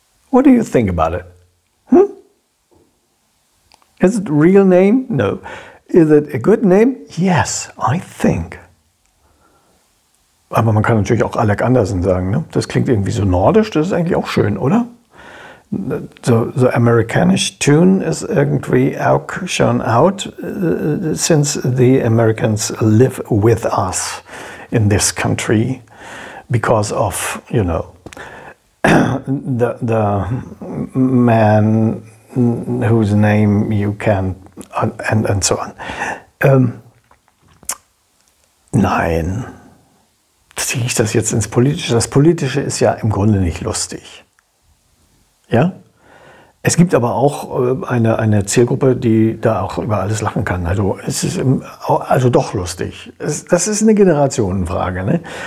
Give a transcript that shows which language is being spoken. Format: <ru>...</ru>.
<en>What do you think about it? Hm? Is it a real name? No. Is it a good name? Yes, I think.</en> <de>Aber man kann natürlich auch Alec Anderson sagen. Ne? Das klingt irgendwie so nordisch. Das ist eigentlich auch schön, oder?</de> <en>So Americanish tune is</en> <de>irgendwie auch schon</de> <en>out since the Americans live with us in this country because of, you know, the man whose name you can't and so on.</en> <de>Nein. Ziehe ich das jetzt ins Politische? Das Politische ist ja im Grunde nicht lustig. Ja? Es gibt aber auch eine Zielgruppe, die da auch über alles lachen kann. Also es ist also doch lustig. Das ist eine Generationenfrage. Ne?</de>